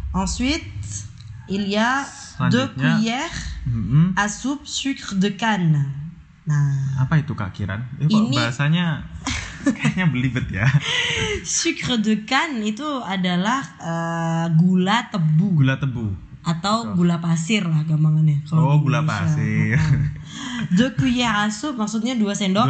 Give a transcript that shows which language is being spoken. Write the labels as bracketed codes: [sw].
[fr] Ensuite, il y a 2 cuillères à soupe sucre de canne. [id] Nah, apa itu Kak Kiran? Ini bahasanya kayaknya belibet ya. Sucre de canne itu adalah gula tebu. Gula tebu. Atau gula pasir lah gampangannya. Oh, gula pasir. [fr] 2 cuillères à soupe [id] maksudnya 2 sendok.